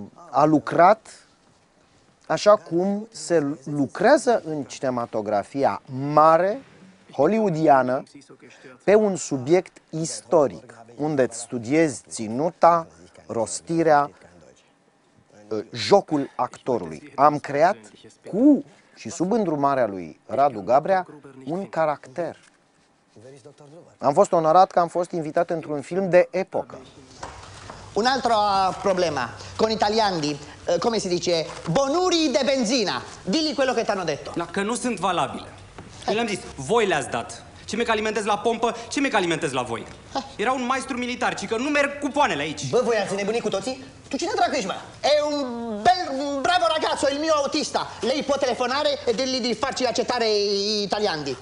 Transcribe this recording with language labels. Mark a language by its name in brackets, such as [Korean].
[Romanian] a lucrat așa cum se lucrează în cinematografia mare, hollywoodiană, pe un subiect istoric, unde îți studiezi ținuta, rostirea, jocul actorului. Am creat cu și sub îndrumarea lui Radu Gabrea un caracter. Am fost onorat că am fost invitat într-un film de epocă. [Italian] Un altro problema con italiani, come si dice, [Romanian] bonuri de benzina. [Italian] Dili quello che t'hanno detto. [Romanian] Dacă nu sunt valabile. Eu le-am zis, voi le-ați dat. Ce mi-e că alimentez la pompă, ce mi-e că alimentez la voi? Era un maestru militar, ci că nu merg cupoanele aici. Bă, voi ați nebunit cu toții? Tu cine dracu ești, mă? [Italian] E un bel, un bravo ragazzo, il mio autista. Lei può telefonare e dirgli di farci accettare gli italiani.